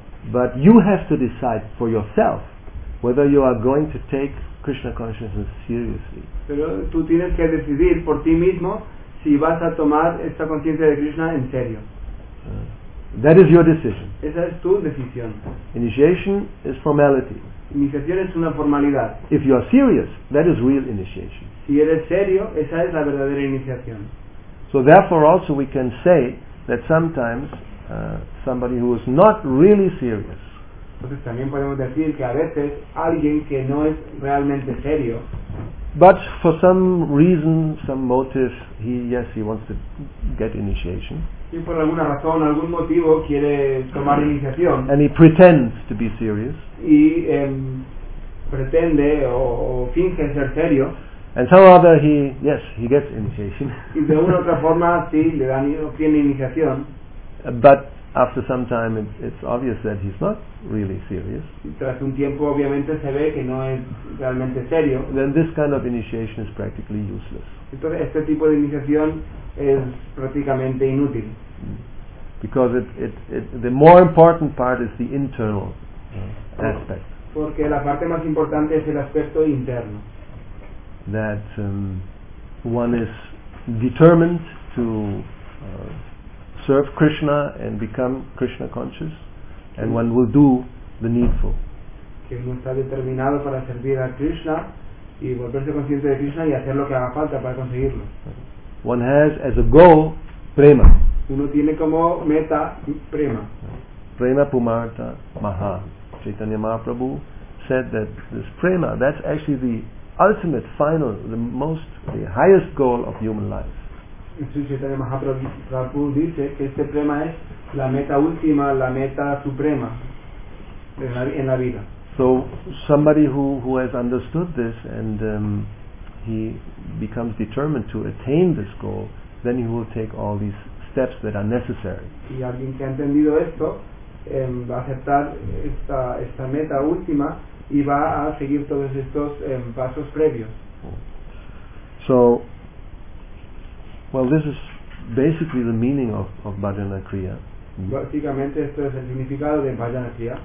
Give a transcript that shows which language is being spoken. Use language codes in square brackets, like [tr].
[en] But you have to decide for yourself whether you are going to take Krishna consciousness seriously. [es] Pero tú tienes que decidir por ti mismo si vas a tomar esta conciencia de Krishna en serio. [en] That is your decision. [es] Esa es tu decisión. [en] Initiation is formality. [es] Iniciación es una formalidad. [en] If you are serious, that is real initiation. [es] Si eres serio, esa es la verdadera iniciación. [en] So therefore also we can say that sometimes somebody who is not really serious. [es] Entonces también podemos decir que a veces alguien que no es realmente serio, [en] but for some reason, some motive, he wants to get initiation. [es] Y por alguna razón, algún motivo, quiere tomar iniciación. [en] And he pretends to be serious. [es] Y pretende o finge ser serio. [en] And somehow that he gets initiation. [es] Y de una otra forma, sí, le dan, obtiene iniciación. [en] But after some time, it's obvious that he's not really serious. [es] Y tras un tiempo, obviamente, se ve que no es realmente serio. [en] Then this kind of initiation is practically useless. [es] Entonces, este tipo de iniciación es prácticamente inútil. [en] Because it the more important part is the internal aspect. [es] Porque la parte más importante es el aspecto interno. [en] That one is determined to serve Krishna and become Krishna conscious, and one will do the needful. [es] Que uno está determinado para servir a Krishna y volverse consciente de Krishna y hacer lo que haga falta para conseguirlo. [en] One has as a goal prema. [es] Uno tiene como meta prema. [sa] Prema pumartha maha. [en] Chaitanya Mahaprabhu said that this prema, that's actually the ultimate, final, the highest goal of human life. [es] Chaitanya Mahaprabhu dice que este prema es la meta última, la meta suprema en la vida. [en] So somebody who has understood this and he becomes determined to attain this goal, then he will take all these steps that are necessary. [es] Y alguien que ha entendido esto va a aceptar esta meta última y va a seguir todos estos pasos previos. [en] So, well, this is basically the meaning of Bhajana Kriya. [es] Básicamente esto es el significado de Bhajana Kriya.